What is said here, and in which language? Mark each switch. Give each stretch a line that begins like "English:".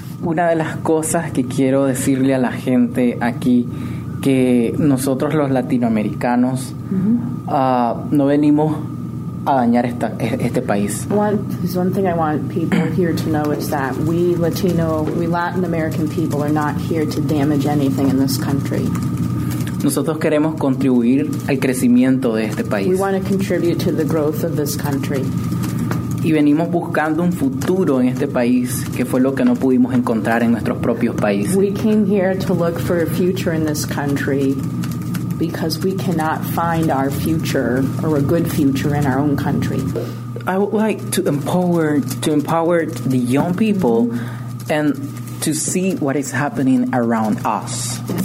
Spanish: Una de las cosas que quiero decirle a la gente aquí, que nosotros los latinoamericanos no venimos a dañar este país.
English: One thing I want people here to know is that we Latin American people are not here to damage anything in this country.
Spanish: Nosotros queremos contribuir al crecimiento de este país.
English: We want to contribute to the growth of this country.
Spanish: Y venimos buscando un futuro en este país, que fue lo que no pudimos encontrar en nuestros propios países.
English: We came here to look for a future in this country because we cannot find our future or a good future in our own country. I would like to empower the young people and to see what is happening around us.